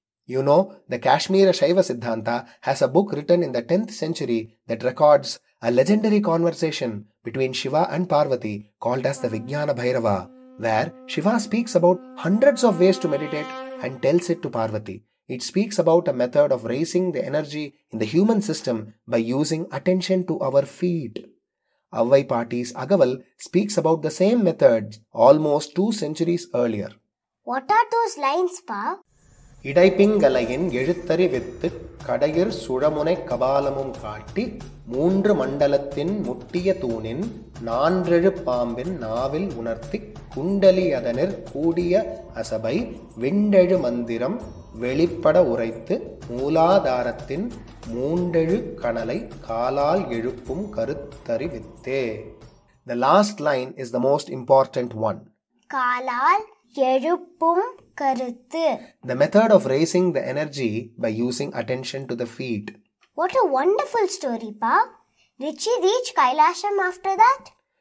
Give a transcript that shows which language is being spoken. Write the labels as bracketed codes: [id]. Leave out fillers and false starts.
[en] You know, the Kashmira Shaiva Siddhanta has a book written in the 10th century that records a legendary conversation between Shiva and Parvati called as the Vijnana Bhairava, where Shiva speaks about hundreds of ways to meditate and tells it to Parvati. It speaks about a method of raising the energy in the human system by using attention to our feet. Avvai Paati's Agaval speaks about the same method almost two centuries earlier. What are those lines, Pa? [ta] இடைப்பிங்கலையின் எழுத்தறி with கடையிர் சுழமுனை கபாலமும் காட்டி மூன்று மண்டலத்தின் முட்டிய தூணின் நான்றெழு பாம்பின் நாவில் உணர்த்தி குண்டலியதனிற் கூடிய அசபை விண்டெழு மந்திரம் வெளிப்பட உரைத்து மூலாதாரத்தின் மூன்றெழு கணலை காலால் எழுப்பும் கருத்தறிவித்தே. [en] The last line is the most important one. [ta] காலால் எழுப்பும் கருத்து. [en] The method of raising the energy by using attention to the feet. What a wonderful story, Pa. Did she reach Kailasam after that?